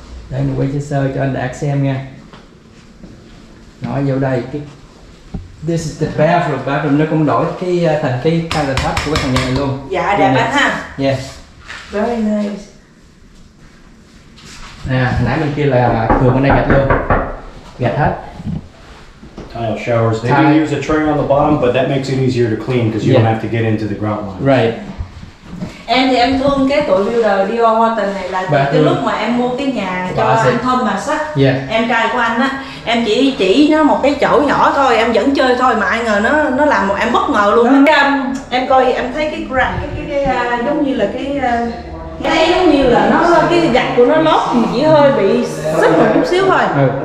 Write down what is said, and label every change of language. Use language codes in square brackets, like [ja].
[vi] Đây, mình quay cho sơ cho anh Đạt xem nha. Nó vô đây. [en] This is the bathroom. [vi] Bathroom nó cũng đổi thành cái [en] kind of top [vi] của cái thằng nhà này luôn. Dạ, đẹp lắm ha. [en] Yeah. Very nice. [vi] Nè, nãy bên kia là thường bên đây gạch luôn. Gạch hết. [en] tile showers. They do use a tray on the bottom, but that makes it easier to clean because you don't have to get into the grout line. Right. [vi] Em thì em thương cái tổ lưu đời Dior Water này là từ cái lúc mà em mua cái nhà cho anh Thomas á, em trai của anh á, em chỉ nó một cái chỗ nhỏ thôi, em vẫn chơi thôi mà ai ngờ nó làm một em bất ngờ luôn. Đó. Em coi em thấy cái grout cái giống như là cái giống như là nó cái gạch của nó lót chỉ hơi bị xích một chút xíu thôi.